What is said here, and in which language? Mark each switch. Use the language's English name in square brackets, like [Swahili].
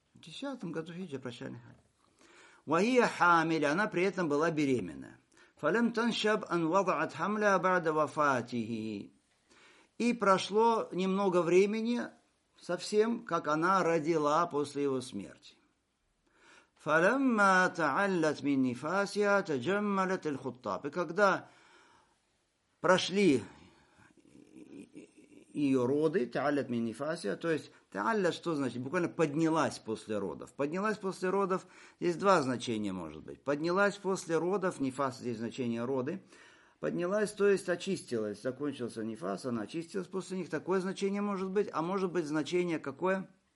[Russian] В 10-м году хиджра прощальный хадж. [Arabic] وهي حامل, [Russian] она при этом была беременна. [Arabic] فلم تنشب أن وضعت حملها بعد وفاته, [Russian] и прошло немного времени совсем, как она родила после его смерти. [Arabic] فَلَمَّا تَعَلَّتْ مِنْ نِفَاسِهَا تَجَمَّلَتْ الْخُطَّابِ, [Russian] и когда прошли ее роды, [Arabic] تَعَلَّتْ مِنْ نِفَاسِهَا, [Russian] то есть [Arabic] تَعَلَّتْ, [Russian] что значит? Буквально поднялась после родов. Поднялась после родов, здесь 2 значения может быть. Поднялась после родов, нифас, здесь значение роды. Поднялась, то есть очистилась, закончился нифас, она очистилась после них, такое значение может быть, а может быть значение какое?